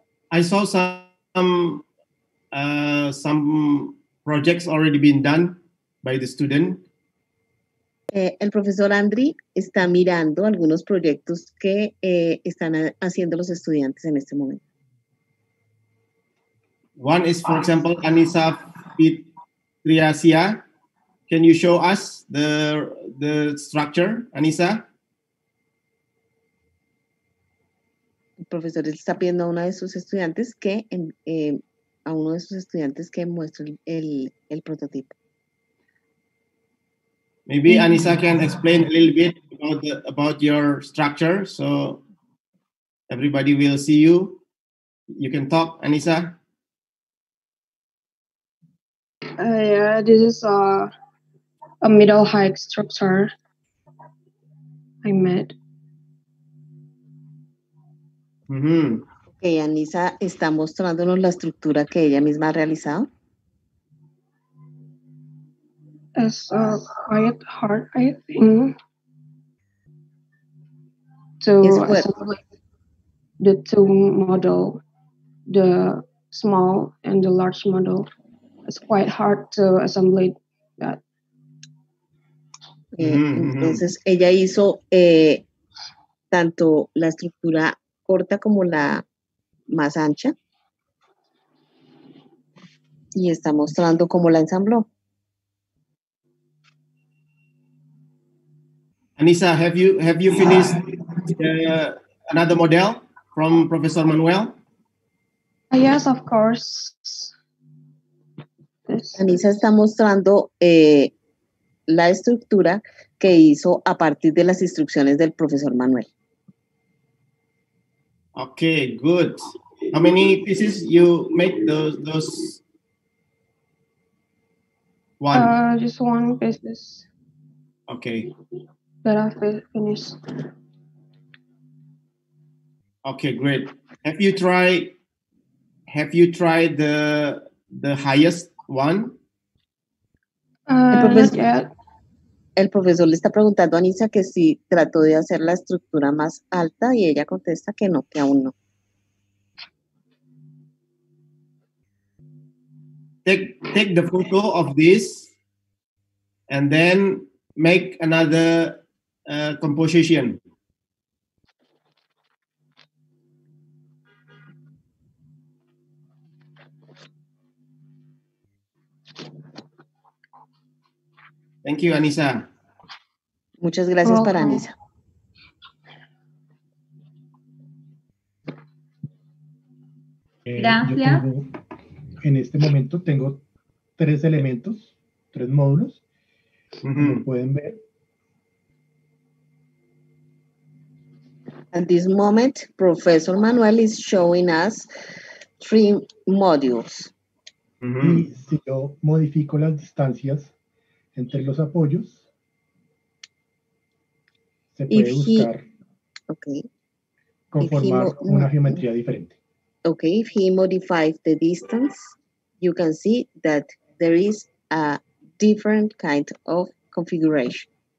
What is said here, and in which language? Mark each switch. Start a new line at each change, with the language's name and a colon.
English: I saw some projects already been done by the student.
Spanish: El profesor Andri está mirando algunos proyectos que están haciendo los estudiantes en este momento.
English: One is, for example, Anissa Fitriasia. Can you show us the structure, Anissa?
Spanish: El profesor está pidiendo a uno de sus estudiantes que muestre el prototipo.
English: Maybe Anissa can explain a little bit about your structure, so everybody will see you. You can talk, Anissa. Yeah, this is a middle height structure I made. Mm-hmm.
Spanish: Okay, Anissa está mostrándonos la estructura que ella misma ha realizado.
English: It's quite hard, I think, to assemble the two model, the small and the large model. It's quite hard to assemble that. Mm-hmm.
Spanish: Entonces, ella hizo tanto la estructura corta como la más ancha y está mostrando cómo la ensambló.
English: Anissa, have you finished another model from Professor Manuel? Yes, of course.
Spanish: Anissa está mostrando la estructura que hizo a partir de las instrucciones del Profesor Manuel.
English: Okay, good. How many pieces you make those? One. Just one piece. Okay. That I finished. Okay, great. Have you tried the highest one? Not yet.
Spanish: El profesor le está preguntando a Anissa que si trató de hacer la estructura más alta y ella contesta que no, que aún no.
English: Take the photo of this and then make another composition. Thank you, Anisa.
Spanish: Muchas gracias para Anisa. Gracias. Yo tengo, en este momento tengo tres elementos, tres módulos, como pueden ver.
English: At this moment, Professor Manuel is showing us three modules.
Spanish: Y si yo modifico las distancias entre los apoyos, se puede conformar una geometría diferente.
English: Okay, if he modifies the distance, you can see that there is a different kind of configuration.